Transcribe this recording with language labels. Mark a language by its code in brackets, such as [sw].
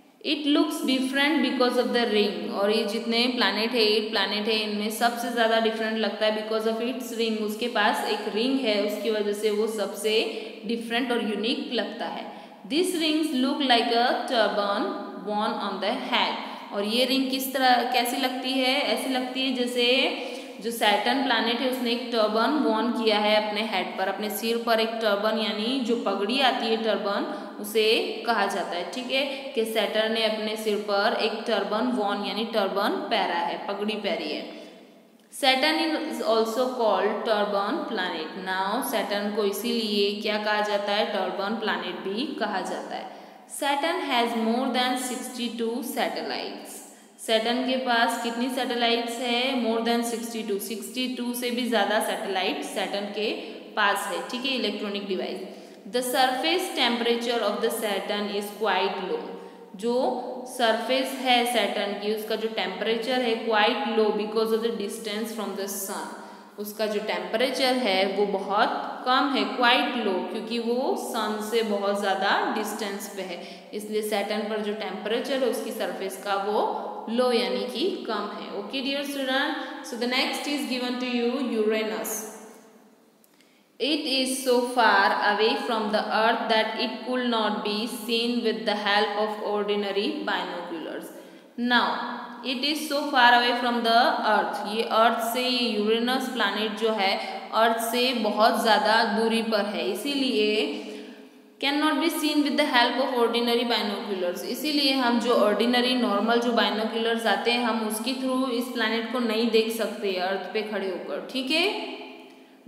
[en] It looks different because of the ring. [hi] और ये जितने planet है, एट planet है, इनमें सबसे ज़्यादा different लगता है [en] because of its ring. [hi] उसके पास एक ring है, उसकी वजह से वो सबसे different और unique लगता है. [en] These rings look like a turban worn on the head. [hi] और ये ring किस तरह कैसी लगती है? ऐसी लगती है जैसे जो Saturn planet है उसने एक turban worn किया है अपने head पर, अपने सिर पर एक turban यानी जो पगड़ी आती है turban उसे कहा जाता है. ठीक है. कि सैटर्न ने अपने सिर पर एक टर्बन वॉन यानी टर्बन पहरा है, पगड़ी पहरी है. [en] Saturn is also called turban planet. [hi] Now Saturn को इसीलिए क्या कहा जाता है? टर्बन प्लैनेट भी कहा जाता है. [en] Saturn has more than 62 satellites. [hi] Saturn के पास कितनी सैटेलाइट्स है? [en] more than [hi] 62 से भी ज़्यादा सैटेलाइट सैटर्न के पास है. ठीक है. Electronic device. [en] The surface temperature of the Saturn is quite low. जो surface है Saturn की उसका जो temperature है quite low because of the distance from the sun. [hi] उसका जो temperature है वो बहुत कम है, [en] quite low, [hi] क्योंकि वो sun से बहुत ज़्यादा distance पे है. इसलिए Saturn पर जो temperature है उसकी surface का वो low यानी कि कम है. [en] Okay dear student, so the next is given to you Uranus. It is so far away from the earth that it could not be seen with the help of ordinary binoculars. Now it is so far away from the earth, [hi] ये अर्थ से, ये Uranus planet जो है अर्थ से बहुत ज्यादा दूरी पर है, इसीलिए [en] can not be seen with the help of ordinary binoculars, [hi] इसीलिए हम जो ऑर्डिनरी नॉर्मल जो बाइनोक्यूलर्स आते हैं हम उसके थ्रू इस प्लैनेट को नहीं देख सकते अर्थ पे खड़े होकर, ठीक है।